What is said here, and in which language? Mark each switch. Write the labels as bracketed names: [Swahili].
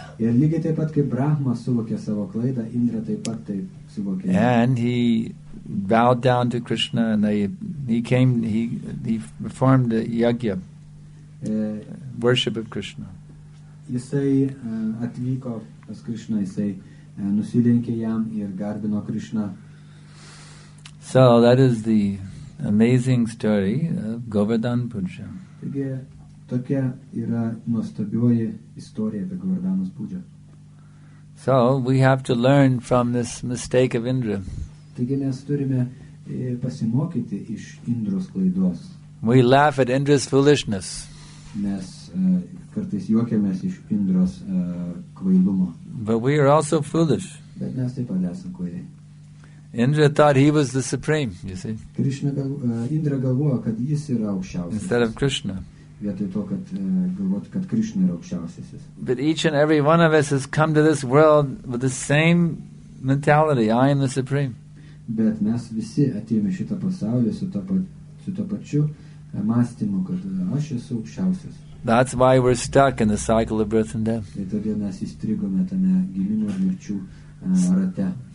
[Lithuanian] Ir lygiai taip pat, kaip Brahma suvokė savo klaidą, Indra taip pat taip suvokė. [English] And he bowed down to Krishna and he performed a yagya, worship of Krishna. [Lithuanian] Jisai atvyko pas Krishna, jisai nusilenkė jam ir garbino Krishna. [English] So that is the amazing story of Govardhan Puja. [Lithuanian] Taigi, tokia yra nuostabioji istorija apie Govardhanos Puja. [English] So, we have to learn from this mistake of Indra. [Lithuanian] Taigi, mes turime pasimokyti iš Indros klaidos. [English] We laugh at Indra's foolishness. [Lithuanian] Mes kartais juokiamės iš Indros kvailumo. [English] But we are also foolish. [Lithuanian] Bet mes taip pat esam kvailiai. [English] Indra thought he was the supreme, you see. [Lithuanian] Krishna Indra galvojo, kad jis yra aukščiausias. [English] Instead of Krishna. [Lithuanian] Vietoj to, kad galvotų, kad Krishna yra aukščiausiasis. [English] But each and every one of us has come to this world with the same mentality, I am the supreme. [Lithuanian] Bet mes visi atėjome šitą pasaulį su to pačiu mąstymu, kad aš esu aukščiausias. [English] That's why we're stuck in the cycle of birth and death. [Lithuanian] Ir todėl mes įstrigome tame gimimo ir mirčių rate.